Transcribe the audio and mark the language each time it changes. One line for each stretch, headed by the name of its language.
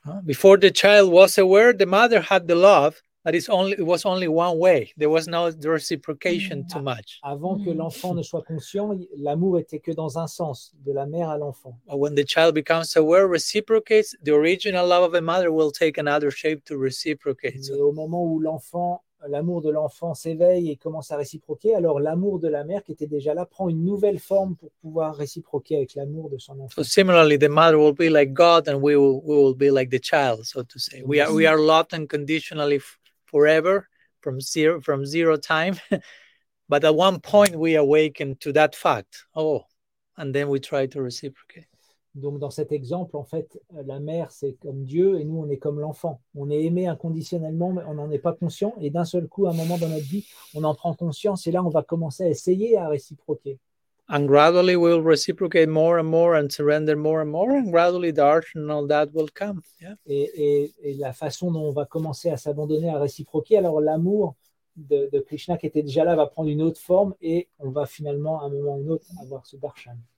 English: Before the child was aware, the mother had the love, but it was only one way. There was no reciprocation too much.
French: Avant que l'enfant ne soit conscient, l'amour était que dans un sens, de la mère à l'enfant.
English: But when the child becomes aware, reciprocates, the original love of a mother will take another shape to reciprocate.
French: Mais au moment où l'amour de l'enfant s'éveille et commence à réciproquer, alors l'amour de la mère qui était déjà là prend une nouvelle forme pour pouvoir réciproquer avec l'amour de son enfant.
English: So similarly, the mother will be like God and we will be like the child, so to say. We are loved unconditionally forever from zero time, but at one point we awaken to that fact. Oh, and then we try to reciprocate.
French: Donc dans cet exemple, en fait, la mère c'est comme Dieu et nous on est comme l'enfant. On est aimé inconditionnellement, mais on n'en est pas conscient. Et d'un seul coup, à un moment dans notre vie, on en prend conscience et là on va commencer à essayer à réciproquer.
English: And gradually we'll reciprocate more and more and surrender more and more, and gradually the art and all that will come. Yeah.
French: Et la façon dont on va commencer à s'abandonner à réciproquer, alors l'amour de Krishna qui était déjà là va prendre une autre forme et on va finalement à un moment ou un autre avoir ce darshan.